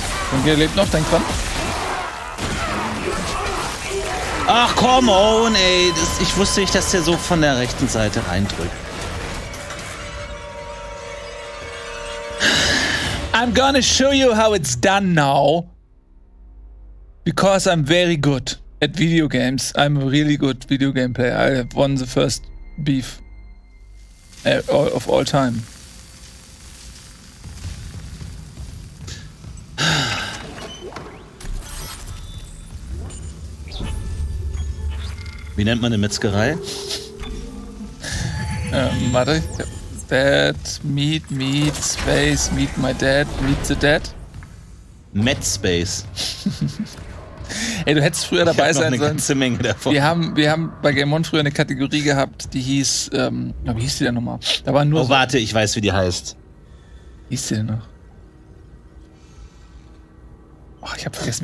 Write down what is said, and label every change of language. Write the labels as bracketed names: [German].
[German] Und wer lebt noch, denkt dran? Ach, [English] come on, [German] ey. Das, ich wusste nicht, dass der so von der rechten Seite reindrückt. [English] I'm gonna show you how it's done now. Because I'm very good at video games. I'm a really good video game player. I have won the first beef of all time. [German] Wie nennt man eine Metzgerei? Warte. [English] Dad, meet, meet, space, meet my dad, meet the dad. [German] Metzspace. Ey, du hättest früher dabei sein sollen. Ich hab noch eine ganze Menge davon. Wir haben bei Game One früher eine Kategorie gehabt, die hieß, wie hieß die denn nochmal? Da waren nur warte, ich weiß, wie die heißt. Wie hieß die denn noch? Oh, ich hab vergessen,